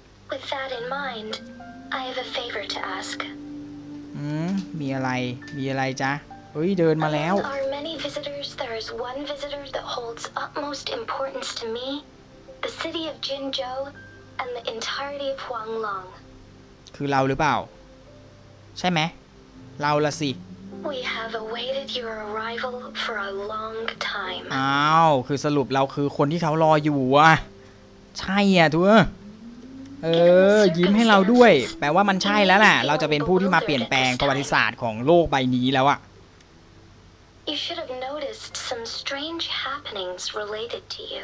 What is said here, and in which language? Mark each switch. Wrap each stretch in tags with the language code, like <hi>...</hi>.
<en>With that in mind, I have a favor to ask.</en> <th>มีอะไรจ๊ะเฮ้ยเดินมาแล้ว</th> <en>Among our many visitors, there is one visitor that holds utmost importance to me, the city of Jinzhou, and the entirety of Huanglong.</en> <th>คือเราหรือเปล่าใช่ไหมเราละสิ</th> <en>We have awaited your arrival for a long time.</en> <th>อ้าวคือสรุปเราคือคนที่เขารออยู่อ่ะใช่อ่ะทัวยิ้มให้เราด้วยแปลว่ามันใช่แล้วแหละเราจะเป็นผู้ที่มาเปลี่ยนแปลงประวัติศาสตร์ของโลกใบนี้แล้วอะ</th> <en>You should have noticed some strange happenings related to you</en>